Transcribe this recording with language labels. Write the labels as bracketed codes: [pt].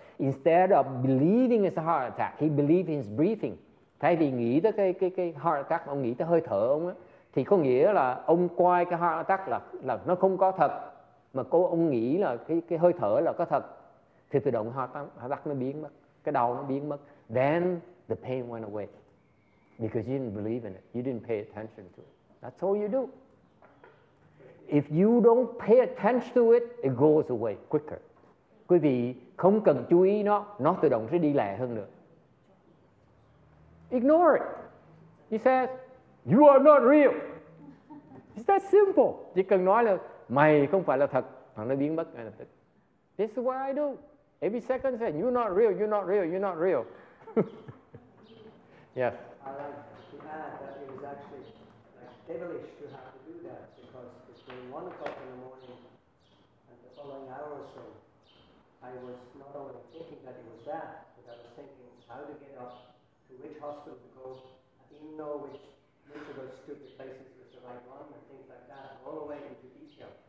[en] Instead of believing it's a heart attack, he believes in his breathing. [vi] Thay vì nghĩ tới cái heart attack, ông nghĩ tới hơi thở ông á, thì có nghĩa là ông coi cái heart attack là nó không có thật, mà cô ông nghĩ là cái hơi thở là có thật, thì tự động heart attack nó biến mất, cái đau nó biến mất. [en] Then the pain went away because you didn't believe in it, you didn't pay attention to it. That's all you do. If you don't pay attention to it, it goes away quicker. [vi] Quý vị không cần chú ý nó tự động sẽ đi lẹ hơn nữa. [en] Ignore it. He says, you are not real. It's that simple. [vi] Chỉ cần nói là mày không phải là thật, hoặc nó biến mất ngay lập tức. [en] This is what I do. Every second say, you're not real, you're not real, you're not real. Yes. I like to add that it is actually like devilish to have to do that, because between 1 o'clock in the morning and the following hour or so, I was not only thinking that it was bad, but I was thinking how to get up, to which hospital to go, I didn't know which of those stupid places was the right one, and things like that, all the way into detail.